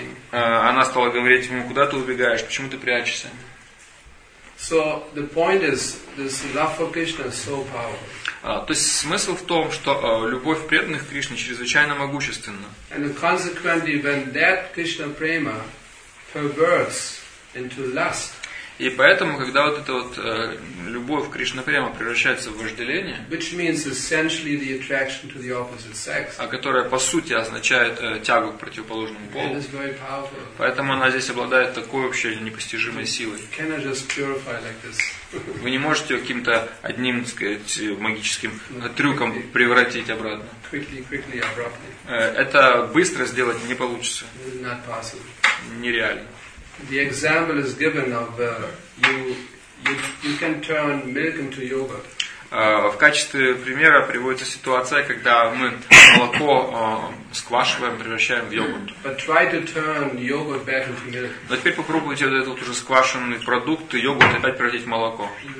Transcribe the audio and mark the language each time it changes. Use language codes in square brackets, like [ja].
[ru] Она стала говорить ему, куда ты убегаешь, почему ты прячешься? [en] So the point is, this love for Krishna is so powerful. [ru] То есть смысл в том, что любовь преданных Кришне чрезвычайно могущественна. [en] And consequently, when that Krishna prema perverts into lust. [ru] И поэтому, когда вот эта вот любовь Кришна-према превращается в вожделение, [en] which means essentially the attraction to the opposite sex, [ru] а которая по сути означает тягу к противоположному полу, [en] it is very powerful. [ru] Поэтому она здесь обладает такой вообще непостижимой силой. [en] Can I just purify like this? [ru] Вы не можете ее каким-то одним, так сказать, магическим трюком превратить обратно. [en] Quickly, abruptly. [ru] Это быстро сделать не получится. [en] Not possible. [ru] Нереально. [en] The example is given of you can turn milk into yogurt. [ru] В качестве примера приводится ситуация, когда мы молоко сквашиваем, превращаем в йогурт. [en] But try to turn yogurt back into milk. [ru] Но теперь попробуйте вот этот уже сквашенный продукт и йогурт опять превратить в молоко.